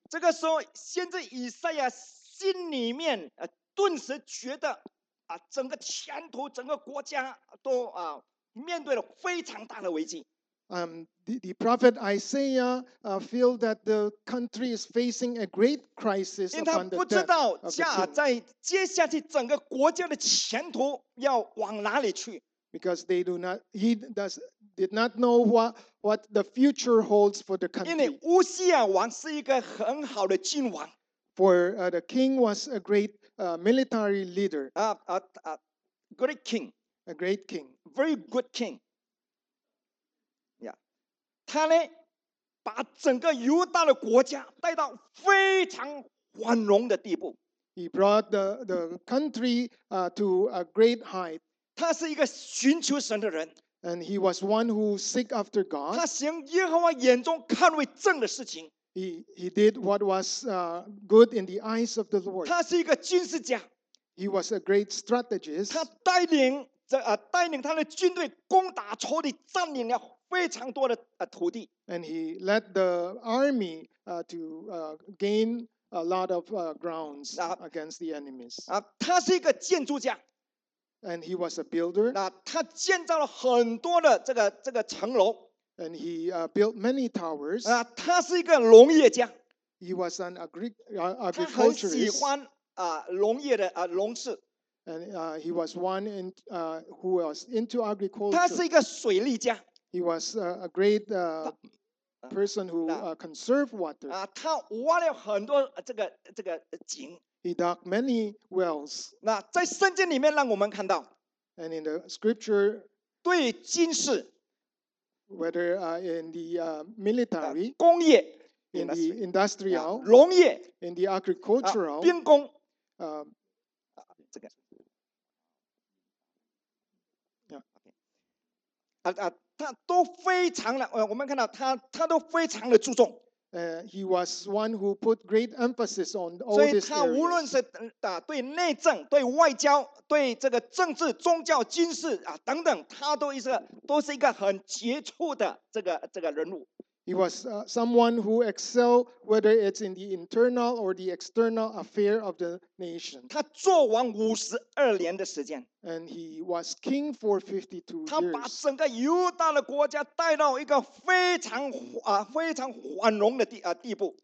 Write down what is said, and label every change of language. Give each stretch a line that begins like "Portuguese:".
Chinese: 这个时候，先知以赛亚心里面顿时觉得整个前途、整个国家都面对了非常大的危机。
English: The prophet Isaiah feel that the country is facing a great crisis upon the death of the king.
Chinese: 因为他不知道在接下去整个国家的前途要往哪里去。
English: Because he did not know what the future holds for the country.
Chinese: 因为乌西亚王是一个很好的君王。
English: For the king was a great military leader. Great king. A great king. Very good king. Yeah.
Chinese: 他呢，把整个犹大的国家带到非常繁荣的地步。
English: He brought the country to a great height.
Chinese: 他是一个寻求神的人。
English: And he was one who seek after God.
Chinese: 他行耶和华眼中看为正的事情。
English: He did what was good in the eyes of the Lord.
Chinese: 他是一个军事家。
English: He was a great strategist.
Chinese: 他带领他的军队攻打仇敌，占领了非常多的土地。
English: And he led the army to gain a lot of grounds against the enemies.
Chinese: 他是一个建筑家。
English: And he was a builder.
Chinese: 他建造了很多的这个城楼。
English: And he built many towers.
Chinese: 他是一个农业家。
English: He was an agriculturist.
Chinese: 他很喜欢农业的农事。
English: And he was one in who was into agriculture.
Chinese: 他是一个水利家。
English: He was a great person who conserved water.
Chinese: 他挖了很多这个井。
English: He dug many wells.
Chinese: 那在圣经里面让我们看到。
English: And in the scripture,
Chinese: 对军事
English: ，whether in the military
Chinese: 工业
English: ，in the industrial
Chinese: 农业
English: ，in the agricultural
Chinese: 兵工，这个。他都非常的，我们看到他都非常的注重。
English: He was one who put great emphasis on all these areas.
Chinese: 所以他无论是对内政、对外交、对这个政治、宗教、军事等等，他都是一个很杰出的这个人物。
English: He was someone who excelled, whether it's in the internal or the external affair of the nation.
Chinese: 他做王五十二年的时间。
English: And he was king for 52 years.
Chinese: 他把整个犹大的国家带到一个非常繁荣的地步。